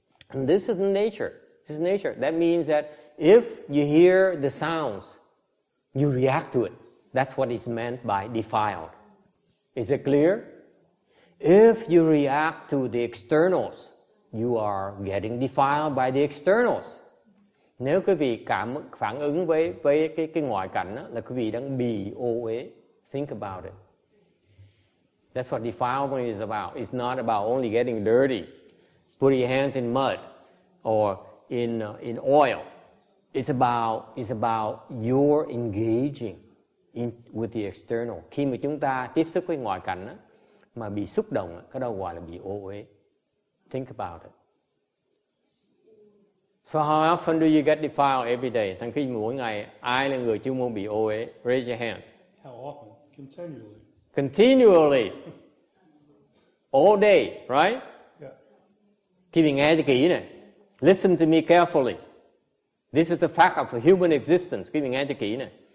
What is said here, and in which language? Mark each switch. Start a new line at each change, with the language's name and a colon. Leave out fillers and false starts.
English: And this is nature. This is nature. That means that if you hear the sounds, you react to it. That's what is meant by defiled. Is it clear? If you react to the externals, you are getting defiled by the externals.
Vietnamese: Nếu quý vị phản ứng với cái ngoại cảnh đó, là quý vị đang bị ô uế.
English: Think about it. That's what defilement is about. It's not about only getting dirty, putting your hands in mud or in oil. It's about your engaging with the external.
Vietnamese: Khi mà chúng ta tiếp xúc với ngoại cảnh đó, mà bị xúc động, cái đó gọi là bị ô uế.
English: Think about it. So how often do you get defiled every day?
Vietnamese: Thành khi mỗi ngày, ai là người chuyên môn bị ô uế?
English: Raise your hands. How often? Continually. Continually. All day, right? Yeah.
Vietnamese: Khi mình nghe cho kỹ này.
English: Listen to me carefully. This is the fact of human existence.
Vietnamese: Khi mình nghe cho kỹ này.